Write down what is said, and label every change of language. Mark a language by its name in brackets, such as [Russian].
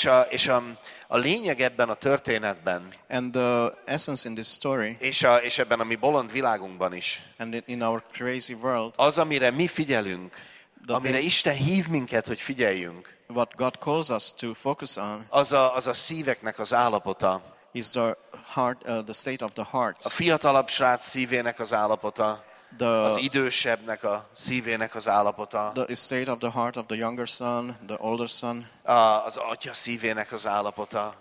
[Hungarian] És a lényeg ebben a történetben. [English] And the essence in this story. [Hungarian] És ebben a mi bolond világunkban is. [English] And in our crazy world. [Hungarian] Az, amire mi figyelünk. Amire Isten hív minket, hogy figyeljünk. [English] What God calls us to focus on. [Hungarian] Az a szíveknek az állapota. [English] Is the heart, the state of the hearts. [Hungarian] A fiatalabb srác szívének az állapota. Az idősebbnek a szívének az állapota. [English] The state of the heart of the younger son, the older son. [Hungarian] Az atya szívének az állapota.